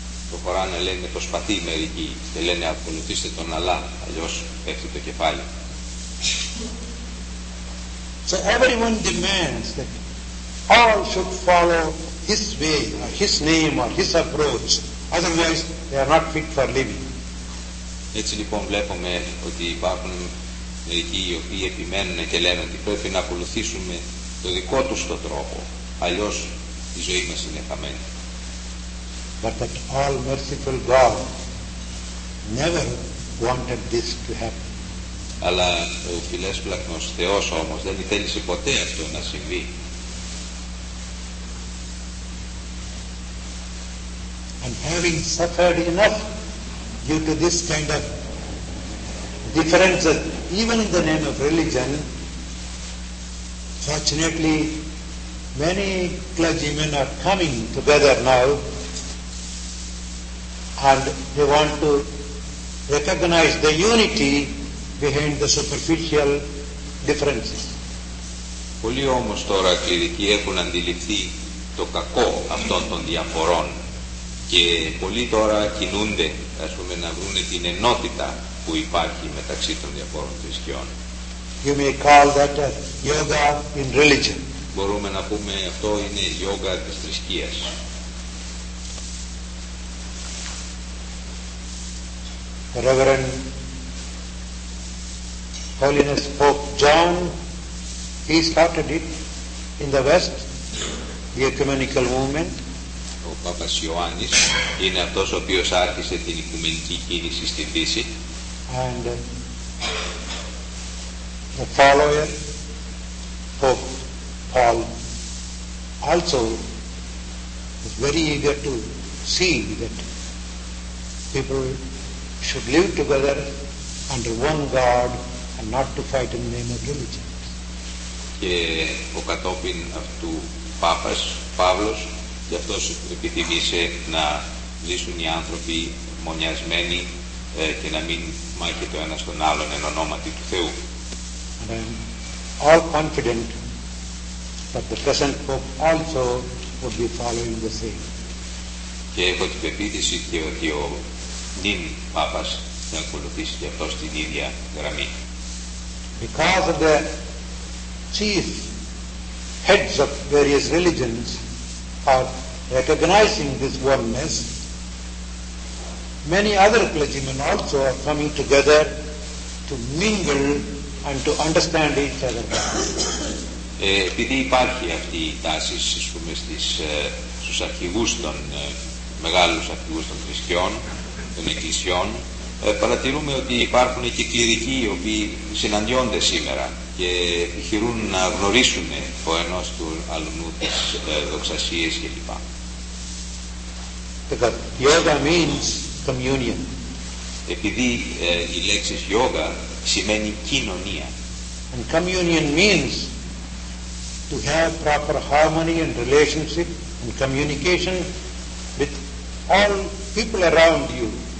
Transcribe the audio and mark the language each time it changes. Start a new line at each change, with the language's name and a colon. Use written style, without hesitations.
Greek: Το Κοράνε λένε το σπαθί μερικοί και λένε ακολουθήστε τον Αλλά, αλλιώς πέφτει το κεφάλι.
English: So everyone demands that all should follow his way or his name or his approach, otherwise they are not fit for living.
Greek: Έτσι λοιπόν βλέπουμε ότι υπάρχουν μερικοί οι οποίοι επιμένουν και λένε ότι πρέπει να ακολουθήσουμε το δικό τους τον τρόπο, αλλιώς η ζωή μας είναι χαμένη.
English: But that all merciful God never wanted this to happen.
Greek: Αλλά ο φιλέσπλαχνος Θεός όμως δεν ήθελε ποτέ αυτό να συμβεί.
English: And having suffered enough due to this kind of differences, even in the name of religion, fortunately many clergymen are coming together now and they want to recognize the unity behind the superficial differences.
Greek: Πολλοί όμως τώρα κληρικοί έχουν αντιληφθεί το κακό αυτών των διαφορών και πολλοί τώρα κινούνται, ας πούμε, να βρουν την ενότητα που υπάρχει μεταξύ των διαφόρων θρησκειών.
English: You may call that a yoga in religion.
Greek: Μπορούμε να πούμε αυτό είναι yoga της θρησκείας.
English: Reverend Holiness Pope John, he started it in the West, the ecumenical movement.
Greek: Ο Πάπας Ιωάννης είναι αυτός ο οποίος άρχισε την οικουμενική κίνηση στη Δύση.
English: And the follower, Pope Paul, also is very eager to see that people should live together under one God and not to fight in the name of religion.
Greek: Και ο κατόπιν αυτού Πάπας Παύλος, γι' αυτός επιθυμήσε να ζήσουν οι άνθρωποι μονιασμένοι και να μην μάχει το ένας τον άλλον εν ονόματι του Θεού.
English: And I'm all confident that the present Pope also would be following the same.
Greek: Και έχω την πεποίθηση και ότι ο νυν Πάπας θα ακολουθήσει και αυτός την ίδια γραμμή.
English: Because of the chief heads of various religions are recognizing this oneness, many other clergymen also are coming together to mingle and to understand each other.
Greek: Επειδή υπάρχει αυτή η τάση, ας πούμε, στους αρχηγούς των μεγάλους αρχηγούς των θρησκειών, των εκκλησιών, παρατηρούμε ότι υπάρχουν και κληρικοί οι οποίοι συναντιόνται σήμερα και επιχειρούν να γνωρίσουν ο ενός του αλλού τις δοξασίες κλπ.
English: Because yoga means communion.
Greek: Επειδή η λέξη yoga σημαίνει κοινωνία.
English: And communion means to have proper harmony and relationship and communication with all people around you.